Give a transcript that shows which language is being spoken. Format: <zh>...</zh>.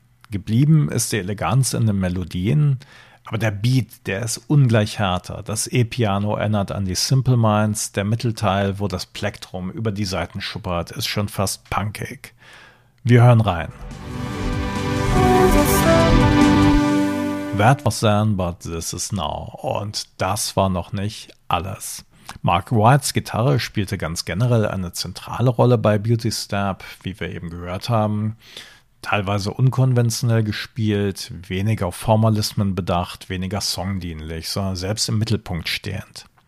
<de>Geblieben ist die Eleganz in den Melodien. Aber der Beat, der ist ungleich härter. Das E-Piano erinnert an die Simple Minds. Der Mittelteil, wo das Plektrum über die Saiten schuppert, ist schon fast punkig. Wir hören rein.</de> <en>That was then, but this is now.</en> <de>Und das war noch nicht alles. Mark Whites Gitarre spielte ganz generell eine zentrale Rolle bei Beauty Stab, wie wir eben gehört haben. Teilweise unkonventionell gespielt, weniger Formalismen bedacht, weniger songdienlich, sondern selbst im Mittelpunkt stehend.</de>